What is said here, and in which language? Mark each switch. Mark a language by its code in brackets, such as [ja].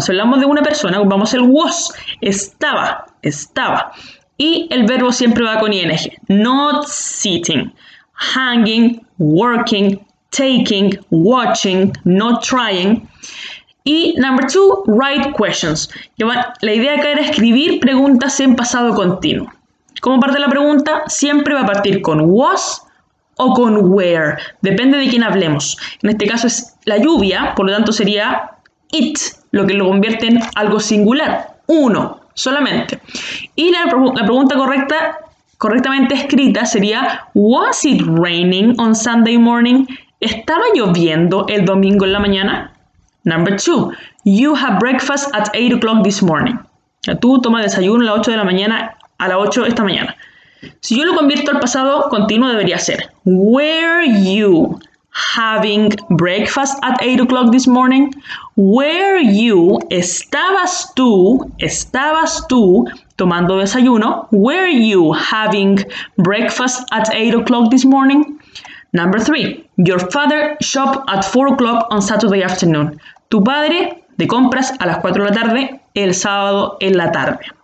[es] Si hablamos de una persona, vamos el was, estaba. Y el verbo siempre va con ing. [en] Not sitting, hanging, working, taking, watching, not trying. Y number two, write questions. [es] La idea acá era escribir preguntas en pasado continuo. ¿Cómo parte la pregunta? Siempre va a partir con was o con where. Depende de quién hablemos. En este caso es la lluvia, por lo tanto sería it, lo que lo convierte en algo singular. Uno, solamente. Y la pregunta correctamente escrita sería, [en] was it raining on Sunday morning? [es] ¿Estaba lloviendo el domingo en la mañana? [en] Number two, you have breakfast at 8 o'clock this morning. [es] Ya, tú tomas desayuno a las 8 de la mañana, a las 8 esta mañana. Si yo lo convierto al pasado continuo, debería ser, [en] were you having breakfast at 8 o'clock this morning? Were you, [es] estabas tú tomando desayuno? [en] Were you having breakfast at 8 o'clock this morning? Number three, your father shopped at 4 o'clock on Saturday afternoon. [es] Tu padre de compras a las 4 de la tarde, el sábado en la tarde.